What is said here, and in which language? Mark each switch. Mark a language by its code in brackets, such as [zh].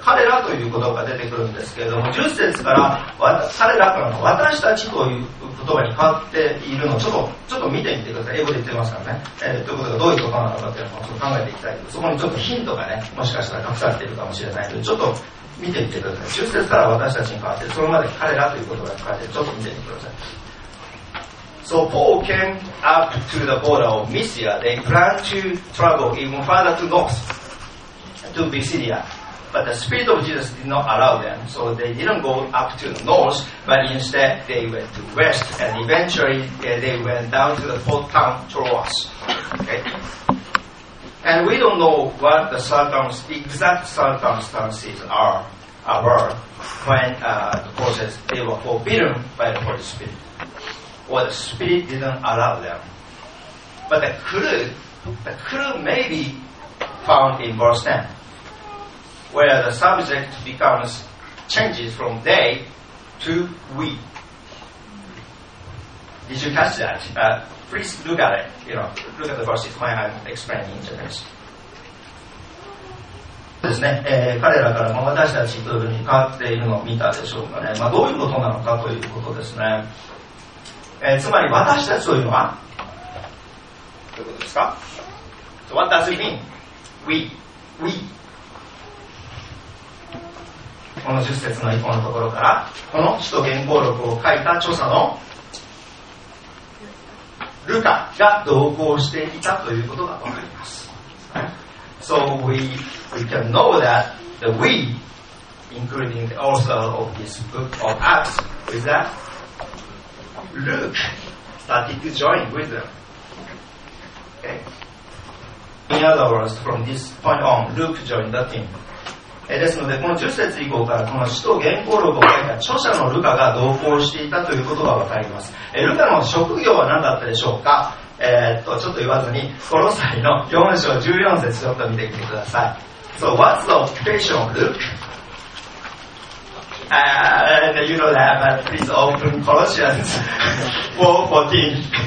[ja] 彼らという言葉が出てくるんですけれども、10節から彼らからの私たちという言葉に変わっているのをちょっと見てみてください。英語で言ってますからね、ということがどういうことなのかというのをちょっと考えていきたい。そこにちょっとヒントがね、もしかしたら隠されているかもしれないので、ちょっと見てみてください。 10節から私たちに変わって、それまで彼らという言葉に変わって、ちょっと見てみてください。 [en] So Paul came up to the border of Mysia. They planned to travel even further to north, to Bithynia. But the Spirit of Jesus did not allow them, so they didn't go up to the north, but instead they went to west, and eventually they went down to the port town Troas. Okay? And we don't know what the exact circumstances are about when the Paul says they were forbidden by the Holy Spirit. Or the Spirit didn't allow them. But the clue may be found in verse 10, where the subject changes from they to we. Did you catch that? Please look at it. You know, look at the verses when I'm explaining to this. [ja] ですね、彼らから私たちというふうに変わっているのを見たでしょうかね。まあ、どういうことなのかということですね。つまり私たちというのはどういうことですか。 [en] So what does it mean? [ja] We この10節の以降のところから、この使徒言行録を書いた著者のルカが同行していたということがわかります。 [en] So we can know that the we, including the author of this book of Acts, is thatLuke started to join with them. Okay. In other words, from this point on, Luke joined the team. [ja] ですので、この10節以降から、この使徒言行録を書いた著者のルカが同行していたということがわかります。ルカの職業は何だったでしょうか。ちょっと言わずに、コロサイの4章14節ちょっと見てみてください。 [en] So, what's the occupation of Luke? And you know that, but please open Colossians 4:14.